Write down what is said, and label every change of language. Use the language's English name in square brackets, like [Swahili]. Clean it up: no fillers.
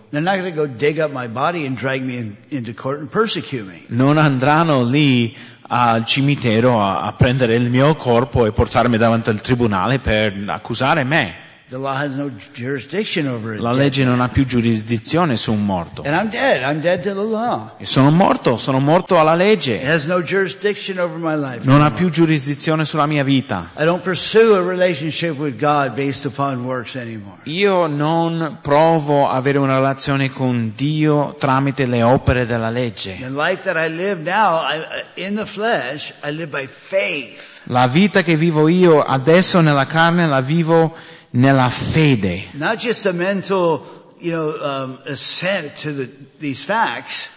[English] They're not going to go dig up my body and drag me into court and persecute me. [Italian] Non andranno lì al cimitero a prendere il mio corpo e portarmi davanti al tribunale per accusare me. [English] The law has no jurisdiction over it. [Italian] La legge non ha più giurisdizione su un morto. [English] And I'm dead. I'm dead to the law. [Italian] E sono morto alla legge. [English] It has no jurisdiction over my life. [Italian] Non ha più giurisdizione sulla mia vita. [English] I don't pursue a relationship with God based upon works anymore. [Italian] Io non provo avere una relazione con Dio tramite le opere della legge. [English] The life that I live now, in the flesh, I live by faith. [Italian] La vita che vivo io adesso nella carne la vivo nella fede. [English] Not just a mental, assent to these facts.